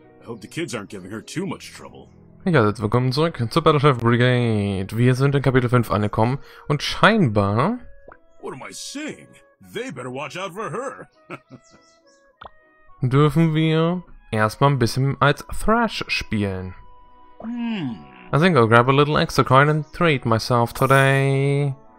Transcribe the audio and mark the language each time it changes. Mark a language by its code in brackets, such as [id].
[en] I hope the kids aren't giving her too much trouble. [de] Hey guys, jetzt willkommen zurück zur Battleship Brigade. Wir sind in Kapitel 5 angekommen und scheinbar... [en] What am I saying? They better watch out for her. [de] ...dürfen wir erstmal ein bisschen als Thrash spielen. [en] I think I'll grab a little extra coin and treat myself today.